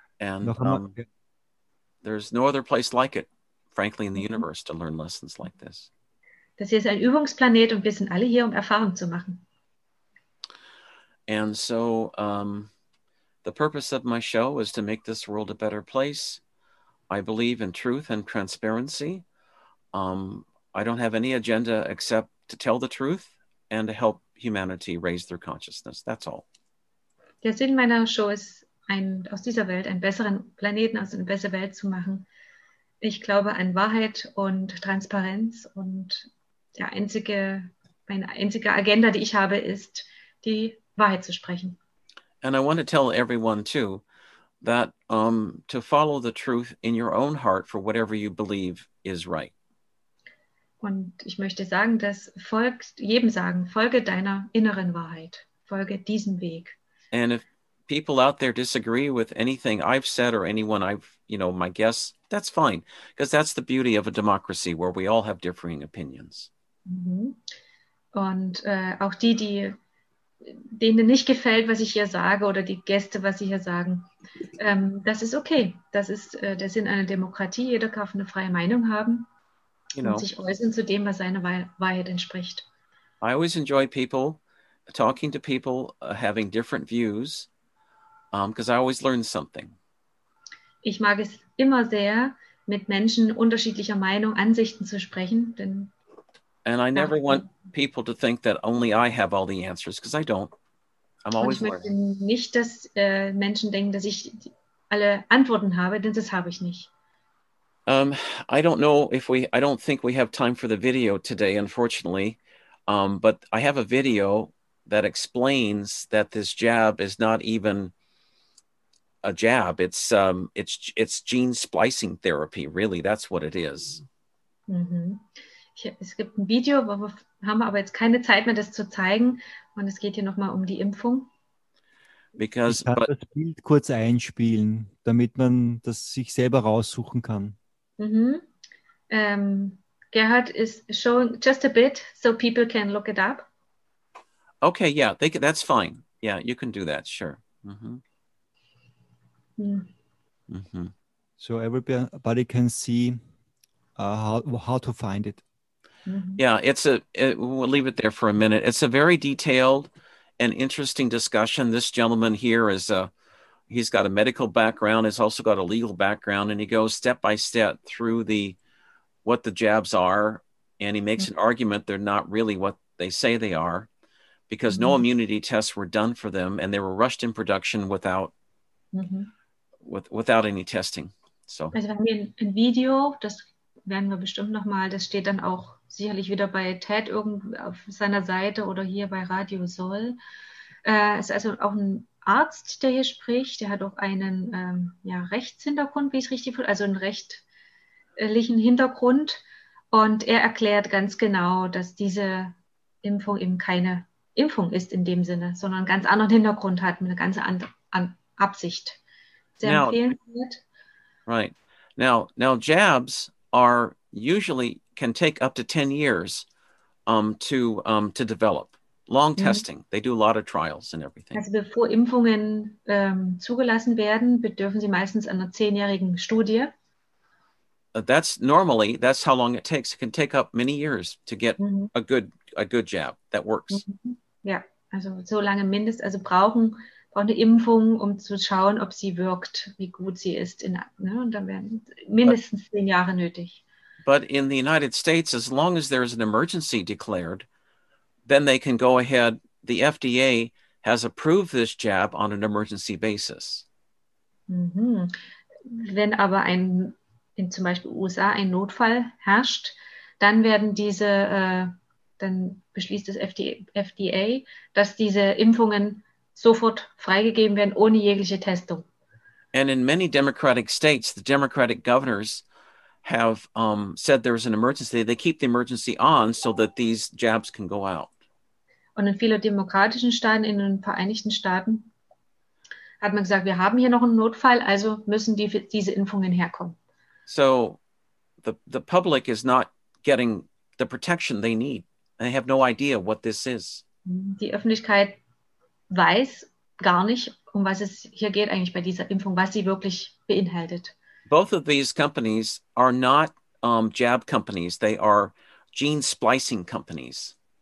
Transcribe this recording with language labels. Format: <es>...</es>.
<en>And there's no other place like it, frankly, in the universe to learn lessons like this.</en> <de>Das hier ist ein Übungsplanet und wir sind alle hier, um Erfahrungen zu machen.</de> <en>And so the purpose of my show is to make this world a better place. I believe in truth and transparency. I don't have any agenda except to tell the truth and to help humanity raise their consciousness. That's all.</en> <de>Der Sinn meiner Show ist, aus dieser Welt einen besseren Planeten, also eine bessere Welt zu machen. Ich glaube an Wahrheit und Transparenz. Und meine einzige Agenda, die ich habe, ist die Wahrheit zu sprechen.</de> <en>And I want to tell everyone too that to follow the truth in your own heart for whatever you believe is right.</en> <de>Und ich möchte sagen, dass folge deiner inneren Wahrheit, folge diesem Weg.</de> <en>And if people out there disagree with anything I've said or anyone I've, you know, my guests, that's fine, because that's the beauty of a democracy where we all have differing opinions. Mm-hmm.</en> <de>Und auch die denen nicht gefällt, was ich hier sage oder die Gäste, was sie hier sagen. Das ist okay. Das ist der Sinn einer Demokratie. Jeder darf eine freie Meinung haben und sich äußern zu dem, was seiner Wahrheit entspricht.</de> <en>I always enjoy people, talking to people, having different views, because I always learn something.</en> <de>Ich mag es immer sehr, mit Menschen unterschiedlicher Meinung, Ansichten zu sprechen, denn</de> <en>and I never want people to think that only I have all the answers, because I don't. I'm always learning.</en> <de>Ich möchte nicht, dass Menschen denken, dass ich alle Antworten habe, denn das habe ich nicht.</de> <en>I don't think we have time for the video today, unfortunately. But I have a video that explains that this jab is not even a jab. It's gene splicing therapy, really. That's what it is. Mm-hmm.</en> <de>Es gibt ein Video, wo wir haben aber jetzt keine Zeit mehr, das zu zeigen. Und es geht hier nochmal um die Impfung.</de> <en>Because,</en> <de>ich kann das Bild kurz einspielen, damit man das sich selber raussuchen kann. Mm-hmm.</de> <en>Gerhard is showing just a bit so people can look it up. Okay, yeah, that's fine. Yeah, you can do that, sure. Mm-hmm. So everybody can see how to find it. Mm-hmm. Yeah, we'll leave it there for a minute. It's a very detailed and interesting discussion. This gentleman here he's got a medical background. He's also got a legal background, and he goes step by step through what the jabs are, and he makes mm-hmm. an argument they're not really what they say they are, because mm-hmm. no immunity tests were done for them, and they were rushed in production without mm-hmm. without any testing. So.</en> <de>Also wir haben ein Video, das werden wir bestimmt noch mal. Das steht dann auch sicherlich wieder bei Ted auf seiner Seite oder hier bei Radio Sol. Es ist also auch ein Arzt, der hier spricht. Der hat auch einen Rechtshintergrund, wie ich es richtig fühle, also einen rechtlichen Hintergrund. Und er erklärt ganz genau, dass diese Impfung eben keine Impfung ist in dem Sinne, sondern einen ganz anderen Hintergrund hat, mit einer ganz anderen Absicht. Sehr empfehlenswert.</de> <en>Right. Now jabs are usually can take up to 10 years to develop. Long mm-hmm. testing. They do a lot of trials and everything.</en> <de>Also bevor Impfungen zugelassen werden, bedürfen sie meistens einer 10-jährigen Studie.</de> <en>That's normally, that's how long it takes. It can take up many years to get mm-hmm. a good jab that works.</en> <de>Mm-hmm. Ja, also so lange mindestens. Also brauchen eine Impfung, um zu schauen, ob sie wirkt, wie gut sie ist. Und dann werden mindestens 10 Jahre nötig.</de> <en>But in the United States, as long as there is an emergency declared, then they can go ahead. The FDA has approved this jab on an emergency basis. Mm-hmm.</en> <de>Wenn aber in zum Beispiel USA ein Notfall herrscht, dann werden dann beschließt das FDA, dass diese Impfungen sofort freigegeben werden, ohne jegliche Testung.</de> <en>And in many Democratic states, the Democratic governors have said there's an emergency. They keep the emergency on so that these jabs can go out.</en> <de>Und in vielen demokratischen Staaten, in den Vereinigten Staaten, hat man gesagt, wir haben hier noch einen Notfall, also müssen diese Impfungen herkommen.</de> <en>So the public is not getting the protection they need. They have no idea what this is.</en> <de>Die Öffentlichkeit weiß gar nicht, um was es hier geht eigentlich bei dieser Impfung, was sie wirklich beinhaltet.</de> <en>Both of these companies are not jab companies. They are gene splicing companies.</en>